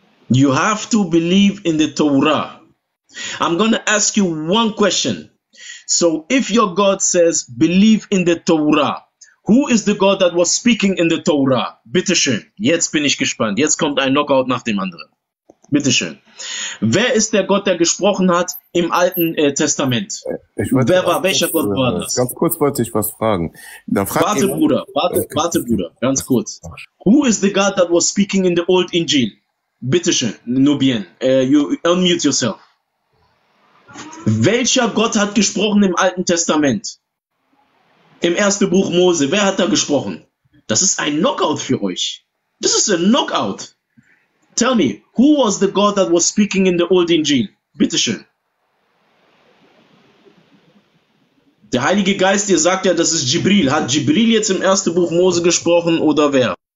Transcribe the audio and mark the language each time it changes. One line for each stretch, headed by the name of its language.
English: You have to believe in the Torah. I'm gonna ask you one question. So, if your God says believe in the Torah, who is the God that was speaking in the Torah?
German: Bitte schön. Jetzt bin ich gespannt. Jetzt kommt ein Knockout nach dem anderen. Bitte schön. Wer ist der Gott, der gesprochen hat im Alten Testament? Welcher Gott war das? Ganz kurz wollte ich was fragen. Dann frag warte, Bruder. Ganz kurz.
English: Who is the God that was speaking in the Old Injil?
German: Bitte schön, Nubien.
English: You unmute yourself.
German: Welcher Gott hat gesprochen im Alten Testament? Im ersten Buch Mose, wer hat da gesprochen? Das ist ein Knockout für euch. Das ist ein Knockout.
English: Tell me, who was the God that was speaking in the Old Injil?
German: Bitte schön. Der Heilige Geist, ihr sagt ja, das ist Jibril. Hat Jibril jetzt im ersten Buch Mose gesprochen oder wer?